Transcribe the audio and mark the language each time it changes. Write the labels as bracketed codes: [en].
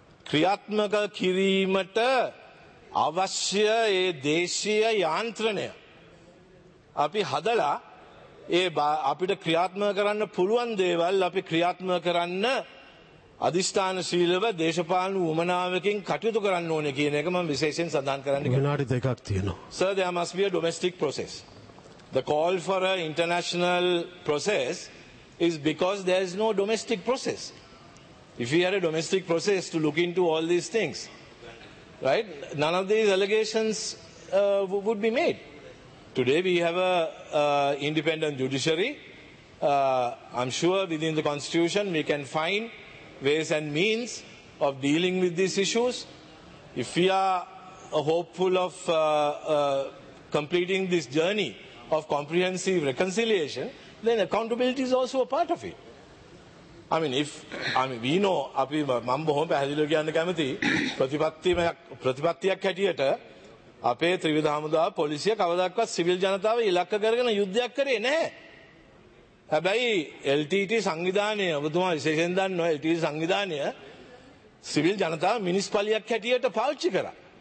[si] ක්‍රියාත්මක කිරීමට අවශ්‍ය ඒ දේශීය යාන්ත්‍රණය අපි හදලා ඒ අපිට ක්‍රියාත්මක කරන්න පුළුවන් දේවල් අපි ක්‍රියාත්මක කරන්න අදිස්ථාන ශීලව දේශපාලන උමනාවකින් කටයුතු කරන්න ඕනේ කියන එක මම විශේෂයෙන් සඳහන් කරන්න ගියා. විනාඩි දෙකක් තියෙනවා. [en] Sir, there must be a domestic process. The call for an international process is because there is no domestic process. If we had a domestic process to look into all these things, right, none of these allegations would be made. Today we have an independent judiciary. I'm sure within the constitution we can find ways and means of dealing with these issues. If we are hopeful of completing this journey of comprehensive reconciliation, then accountability is also a part of it. I mean, we know, [si] අපි මම බොහොම පැහැදිලිව කියන්න කැමති ප්‍රතිපත්තියක් ප්‍රතිපත්තියක් හැටියට අපේ ත්‍රිවිධ හමුදාව පොලිසිය කවදාවත් සිවිල් ජනතාව ඉලක්ක කරගෙන යුද්ධයක් කරේ නැහැ. හැබැයි LTT සංවිධානය ඔබතුමා විශේෂයෙන් දන්නවා LTT සංවිධානය සිවිල් ජනතාව මිනිස් පලියක් හැටියට පාවිච්චි කරා.